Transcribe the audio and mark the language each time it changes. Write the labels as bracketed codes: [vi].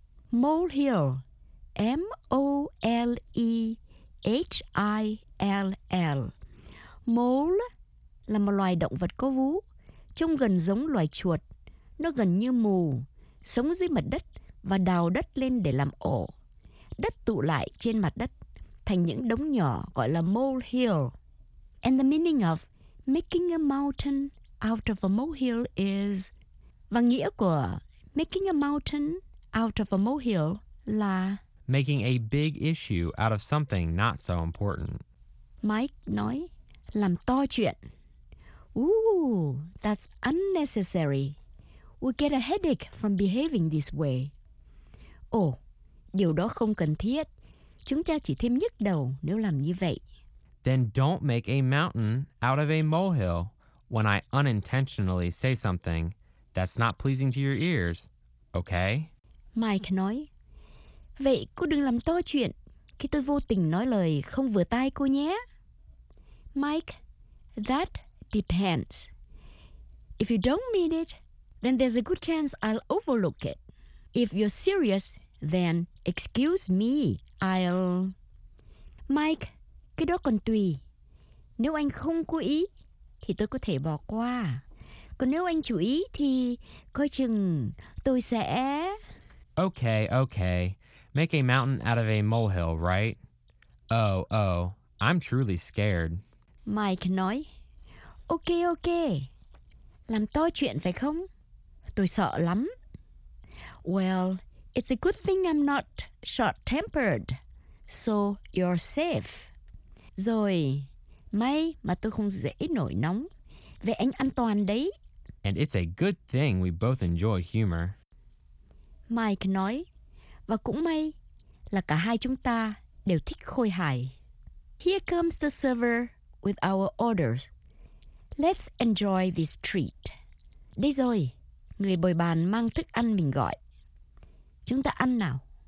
[en] Molehill, M-O-L-E-H-I-L-L. [vi] Mole là một loài động vật có vú, trông gần giống loài chuột. Nó gần như mù, sống dưới mặt đất và đào đất lên để làm ổ. Đất tụ lại trên mặt đất thành những đống nhỏ gọi là molehill. [en] And the meaning of making a mountain out of a molehill is... [vi] Và nghĩa của making a mountain out of a molehill là... [en] Making a big issue out of something not so important. [vi] Mike nói, làm to chuyện. [en] Ooh, that's unnecessary. We get a headache from behaving this way. [vi] Oh, điều đó không cần thiết. Chúng ta chỉ thêm nhức đầu nếu làm như vậy. [en] Then don't make a mountain out of a molehill when I unintentionally say something that's not pleasing to your ears, okay? [vi] Mike nói, vậy cô đừng làm to chuyện khi tôi vô tình nói lời không vừa tai cô nhé. [en] Mike, that depends. If you don't mean it, then there's a good chance I'll overlook it. If you're serious, then excuse me, I'll... [vi] Mike, cái đó còn tùy. Nếu anh không cố ý, thì tôi có thể bỏ qua. Còn nếu anh chú ý, thì coi chừng tôi sẽ... [en] Okay, okay. Make a mountain out of a molehill, right? Oh, I'm truly scared. [vi] Mike nói, okay, okay. Làm to chuyện phải không? Tôi sợ lắm. [en] Well, it's a good thing I'm not short-tempered, so you're safe. [vi] Rồi, may mà tôi không dễ nổi nóng. Vậy anh an toàn đấy. [en] And it's a good thing we both enjoy humor. [vi] Mike nói, và cũng may là cả hai chúng ta đều thích khôi hài. [en] Here comes the server with our orders. Let's enjoy this treat. [vi] Đây rồi, người bồi bàn mang thức ăn mình gọi. Chúng ta ăn nào.